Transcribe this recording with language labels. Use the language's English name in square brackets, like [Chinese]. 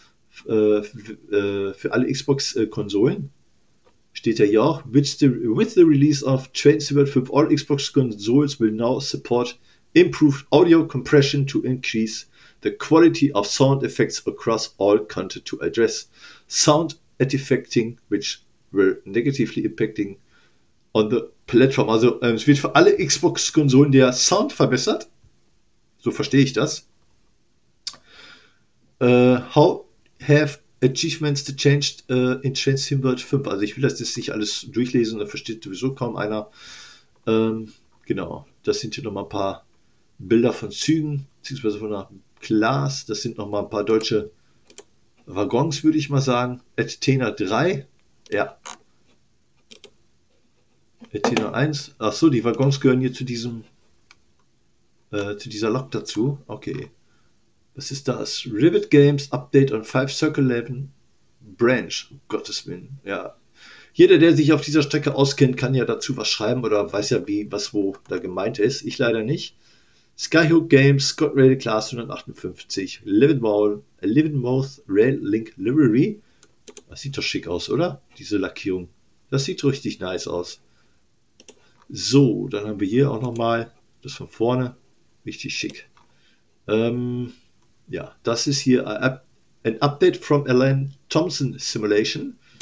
[German] Für alle Xbox-Konsolen steht ja hier auch: [English] With the release of Train Simulator 5, all Xbox consoles will now support improved audio compression to increase the quality of sound effects across all content to address sound artifacting, which were negatively impacting on the platform. [German] Also, es wird für alle Xbox-Konsolen der Sound verbessert. So verstehe ich das. [English] How Have Achievements changed in Train Sim World 5. [German] Also ich will das jetzt nicht alles durchlesen, da versteht sowieso kaum einer. Genau, das sind hier nochmal ein paar Bilder von Zügen, beziehungsweise von einer Class. Das sind nochmal ein paar deutsche Waggons, würde ich mal sagen. Athena 3. Ja. T01. Ach so, die Waggons gehören hier zu diesem zu dieser Lok dazu. Okay. Was ist das? Rivet Games Update on 5 Circle 11 Branch. Um Gottes Willen. Ja. Jeder, der sich auf dieser Strecke auskennt, kann ja dazu was schreiben oder weiß ja, wie, was wo da gemeint ist. Ich leider nicht. [English] Skyhook Games, Scott Rail Class 158, Leavenworth Rail Link Livery. [German] Das sieht doch schick aus, oder? Diese Lackierung. Das sieht richtig nice aus. So, dann haben wir hier auch nochmal das von vorne. Richtig schick. Ja, das ist hier ein Update from Alan Thompson Simulation.